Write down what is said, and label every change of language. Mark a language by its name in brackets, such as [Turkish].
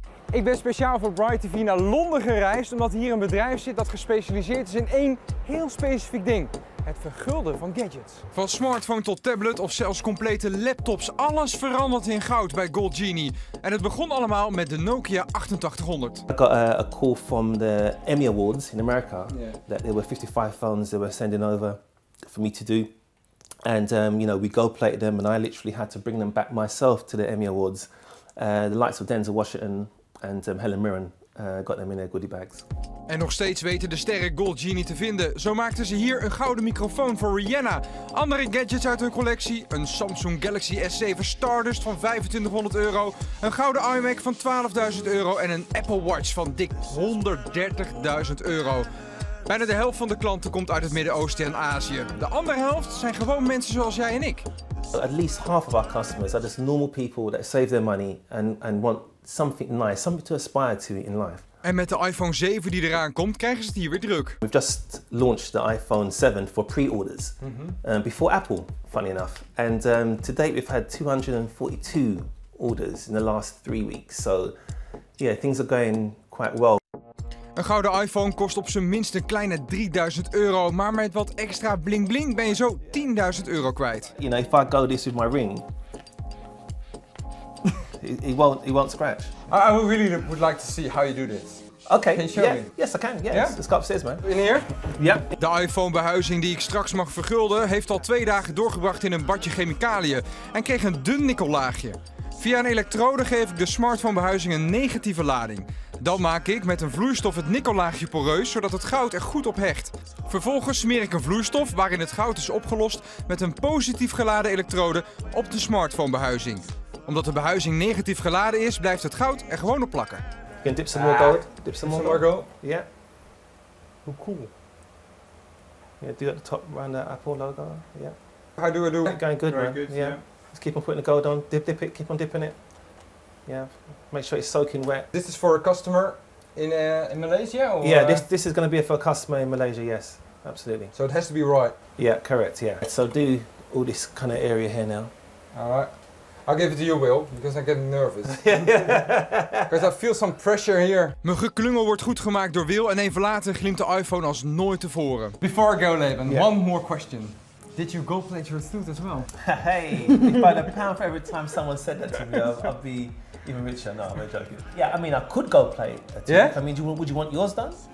[Dutch] Ik ben speciaal voor Bright TV naar Londen gereisd, omdat hier een bedrijf zit dat gespecialiseerd is in één heel specifiek ding. Het vergulden van gadgets. Van smartphone tot tablet of zelfs complete laptops. Alles verandert in goud bij Gold Genie. En het begon allemaal met de Nokia 8800. [English] I got a call from the Emmy Awards in America. Yeah. That there were 55 phones they were sending over for me to do. And we gold plated them and I literally had to bring them back myself to the Emmy Awards. The likes of Denzel Washington and Helen Mirren Got them in their goodie bags. [Dutch] En nog steeds weten de sterren Gold Genie te vinden. Zo maakten ze hier een gouden microfoon voor Rihanna. Andere gadgets uit hun collectie. Een Samsung Galaxy S7 Stardust van 2500 euro. Een gouden iMac van 12.000 euro. En een Apple Watch van dik 130.000 euro. Bijna de helft van de klanten komt uit het Midden-Oosten en Azië. De andere helft zijn gewoon mensen zoals jij en ik. [English] At least half of our customers are just normal people that save their money and want something nice, something to aspire to in life. [Dutch] En met de iPhone 7 die eraan komt, krijgen ze het hier weer druk. [English] We've just launched the iPhone 7 for pre-orders, before Apple, funny enough. And to date we've had 242 orders in the last 3 weeks. So yeah, things are going quite well. [Dutch] Een gouden iPhone kost op zijn minst een kleine 3000 euro, maar met wat extra bling bling ben je zo 10.000 euro kwijt. [English] You know, if I go this with my ring, it won't scratch. I really would like to see how you do this. Okay. Can you show me? Yes, I can. Yes. Yeah? Let's go upstairs, man. In here? Yep. [Dutch] De iPhone-behuizing die ik straks mag vergulden, heeft al 2 dagen doorgebracht in een badje chemicaliën en kreeg een dun nikkellaagje. Via een elektrode geef ik de smartphone-behuizing een negatieve lading. Dan maak ik met een vloeistof het nikkellaagje poreus, zodat het goud er goed op hecht. Vervolgens smeer ik een vloeistof, waarin het goud is opgelost, met een positief geladen elektrode op de smartphone-behuizing. Omdat de behuizing negatief geladen is, blijft het goud er gewoon op plakken. Je kunt [English] dip some more gold. Dip some more gold. Ja. Yeah. [Dutch] Hoe cool. Ja, doe dat de top, [English] around the Apple logo. [Dutch] Ja. [English] Yeah. How do I do? Going good, very man. Good, yeah. Yeah. Just keep on putting the gold on, dip it, keep on dipping it. Yeah, make sure it's soaking wet. This is for a customer in Malaysia? Or yeah, this is going to be for a customer in Malaysia, yes, absolutely. So it has to be right? Yeah, correct, yeah. So do all this kind of area here now. All right. I'll give it to you, Will, because I'm getting nervous. Because I feel some pressure here. [Dutch] Mijn geklungel wordt goed gemaakt door Will en even later glimt de iPhone als nooit tevoren. [English] Before I go, Leben, yeah. One more question. Did you gold plate your suit as well? Hey, if I had a pound for every time someone said that to me, I'd be even richer. No, I'm joking. Yeah, I mean, I could gold plate a suit. Yeah? I mean, would you want yours done?